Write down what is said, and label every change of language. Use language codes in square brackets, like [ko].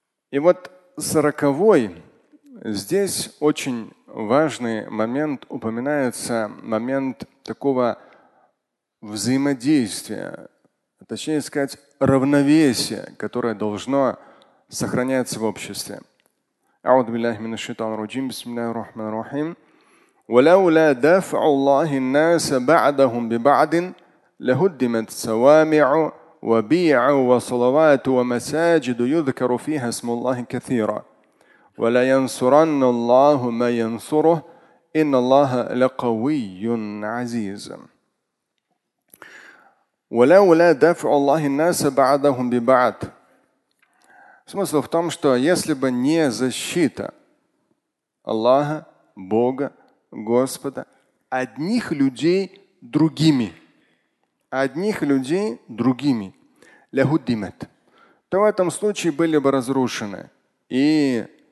[ru] И вот 40-й, здесь очень важный момент, упоминается момент такого взаимодействия, точнее сказать, равновесия, которое должно сохраняться в обществе. [ar] أعوذ بالله من الشيطان الرجيم بسم الله الرحمن الرحيم ولولا دفع الله الناس بعضهم ببعض لهدمت صوامع وبيع وصلوات ومساجد يذكر فيها اسم الله كثيرا ولا ينصرن الله ما ينصره إن الله لقوي عزيز ولولا دفع الله الناس بعضهم ببعض. [ru] Смысл в том, что если бы не защита Аллаха, Бога, Господа, одних людей другими, одних людей другими, ляхуддимет, то в этом случае были бы разрушены и